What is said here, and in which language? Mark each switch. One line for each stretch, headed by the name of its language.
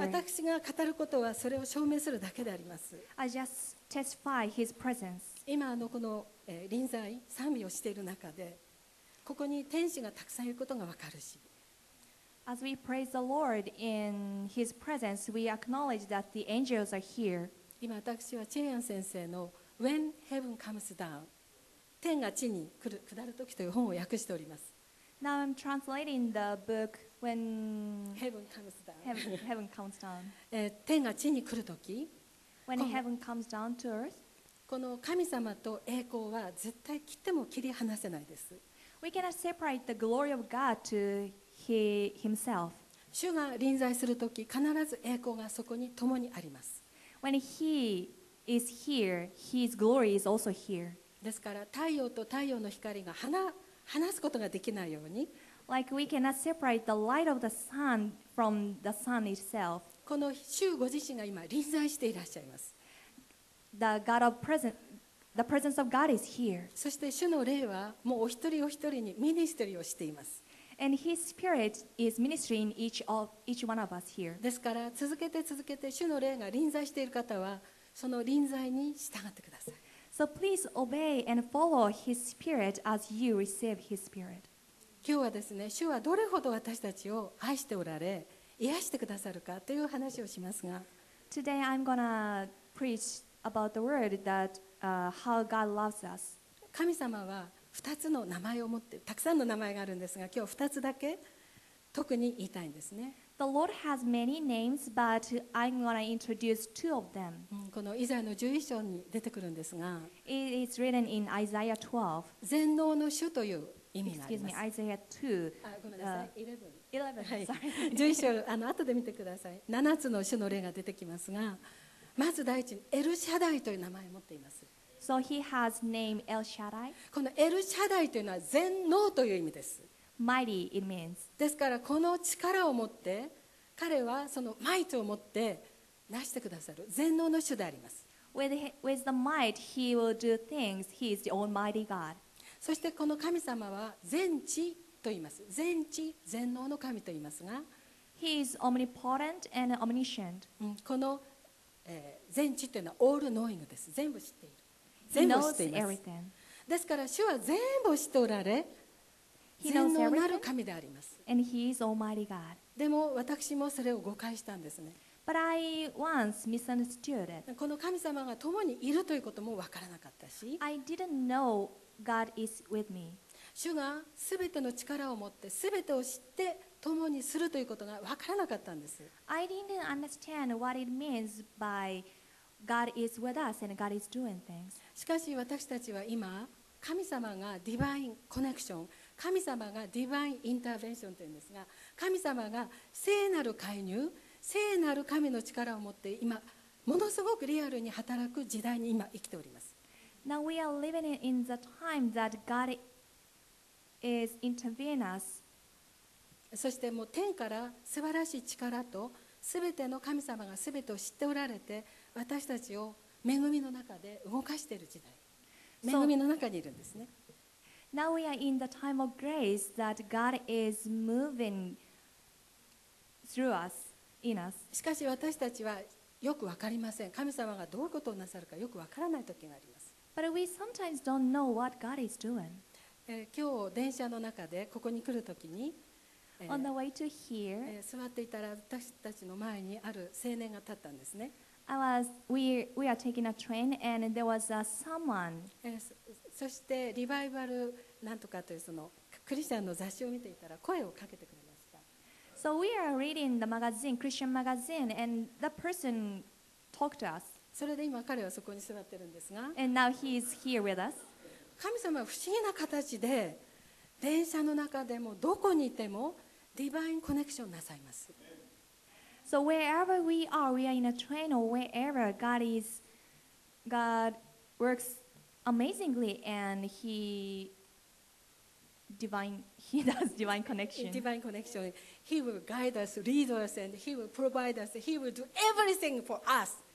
Japanese: 私が語ることはそれを証明するだけであります。
English: I just testify his presence.
Japanese: 今のこの、臨在賛美をしている中でここに天使がたくさんいることがわかるし、
English: As we praise the Lord in his presence, we acknowledge that the angels are here.
Japanese: 今私はチェイアン先生の When Heaven Comes Down、天が地に下る時という本を訳しております。
English: Now I'm translating the book When Heaven Comes Down. Heaven comes down.
Japanese: 天が地に来る時、
English: When Heaven comes down to earth.
Japanese: この神様と栄光は絶対切っても切り離せないです。
English: We cannot separate the glory of God to himself.
Japanese: 主が臨在する時、必ず栄光がそこに共にあります。
English: When he is here, His glory is also here.
Japanese: ですから太陽と太陽の光が離すことができないように。
English: Like we cannot separate the light of the sun from the sun itself.
Japanese: この主ご自身が今臨在していらっしゃいます。
English: The God of present, the presence of God is here.
Japanese: そして主の霊はもうお一人お一人にミニストリーをしています。
English: And His Spirit is ministering each one of us here.
Japanese: ですから続けて続けて主の霊が臨在している方はその臨在に従ってください。
English: So please obey and follow His Spirit as you receive His Spirit.
Japanese: 今日はですね、主はどれほど私たちを愛しておられ、癒してくださるかという話をしますが、
English: Today I'm gonna preach about the word that how God loves us.
Japanese: 神様は2つの名前を持って、たくさんの名前があるんですが、今日2つだけ特に言いたいんですね。
English: The Lord has many names, but I'm going to introduce two of them.
Japanese: このイザヤの11章に出てくるんですが、
English: It is written in Isaiah 12.
Japanese: 全能の主という意味があります。
English: Excuse me, Isaiah 2.
Japanese: ごめんなさい、11.
English: 11, sorry.
Japanese: 11章、後で見てください。 7つの主の例が出てきますが、まず第一にエルシャダイという名前を持っています。
English: So he has name El Shaddai.
Japanese: このエルシャダイというのは全能という意味です。
English: Mighty, it means.
Japanese: ですからこの力を持って彼はそのマイトを持って成してくださる全能の主であります。
English: With the might, he will do things. He is the Almighty God.
Japanese: そしてこの神様は全知と言います。全知全能の神と言いますが、
English: He is omnipotent and omniscient.
Japanese: この、全知というのは
English: all knowing
Japanese: です。全部知っている。全部知っています。
English: He knows everything.
Japanese: ですから主は全部知っておられ。全能なる神であります。
English: And he is Almighty God.
Japanese: でも私もそれを誤解したんですね。
English: But I once misunderstood it.
Japanese: この神様が共にいるということも分からなかったし。
English: I didn't know God is with me.
Japanese: 主がすべての力を持ってすべてを知って共にするということが分からなかったんです。
English: I didn't understand what it means by God is with us and God is doing things.
Japanese: しかし私たちは今神様がディバインコネクション神様がディバインインターベンションというんですが神様が聖なる介入聖なる神の力を持って今ものすごくリアルに働く時代に今生きております
English: Now we are living in the time that God is intervening us
Japanese: そしてもう天から素晴らしい力と全ての神様が全てを知っておられて私たちを恵みの中で動かしている時代恵みの中にいるんですね
English: Now we are in the time of grace that God is moving through us, in us.
Japanese: しかし私たちはよくわかりません。神様がどういうことをなさるかよくわからない時があります。
English: But we sometimes don't know what God is doing.
Japanese: 今日電車の中でここに来る時に、
English: On the way to here,
Japanese: 座っていたら私たちの前にある青年が立ったんですね。
English: We are taking a train and there was someone.
Japanese: そしてリバイバルなんとかというそのクリスチャンの雑誌を見ていたら声をかけてくれました。
English: So we are reading the magazine, Christian magazine, and the person talked to us.
Japanese: それで今彼はそこに座ってるんですが。
English: And now he is here with us.
Japanese: 神様は不思議な形で電車の中でもどこにいてもディバインコネクションなさいます。
English: So wherever we are, we are in a train or wherever God is, God works amazingly and he does divine connection. Divine connection. He will guide us, lead us, and he will provide us. He will do everything for us.